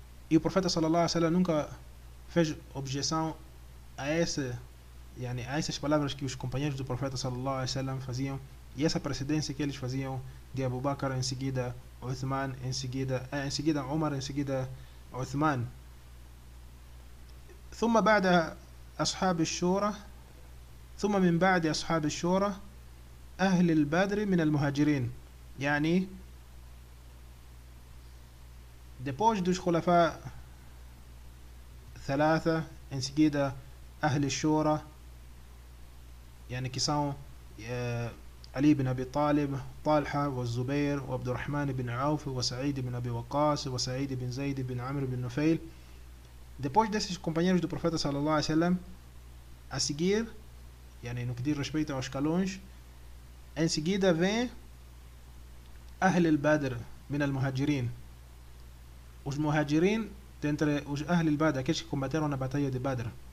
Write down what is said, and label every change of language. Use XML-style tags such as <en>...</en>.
<pt>E o profeta sallallahu alaihi wasallam nunca fez objeção a essas palavras que os companheiros do profeta sallallahu alaihi wasallam faziam e essa precedência que eles faziam de Abu Bakr, em seguida Uthman, em seguida Umar, em seguida Uthman.</pt> <ar>ثم بعد أصحاب الشورى ثم من بعد أصحاب الشورى أهل البدر من المهاجرين يعني</ar> <pt>depois dos</pt> <ar>خلفاء ثلاثة</ar> <pt>en seguida</pt> <ar>أهل الشورى يعني</ar> <pt>que são</pt> <ar>علي بن أبي طالب طالحة والزبير وعبد الرحمن بن عوف وسعيد بن أبي وقاص وسعيد بن زيد بن عمرو بن نفيل.</ar> <pt>Depois desses companheiros do profeta sallallahu alaihi wasallam, a seguir, no que diz respeito aos escalões, em seguida vem Ahl al-Badr min al-Muhajirin. Os Muhajirin, dentre os Ahl al-Badr, aqueles que combateram na Batalha de Badr.</pt>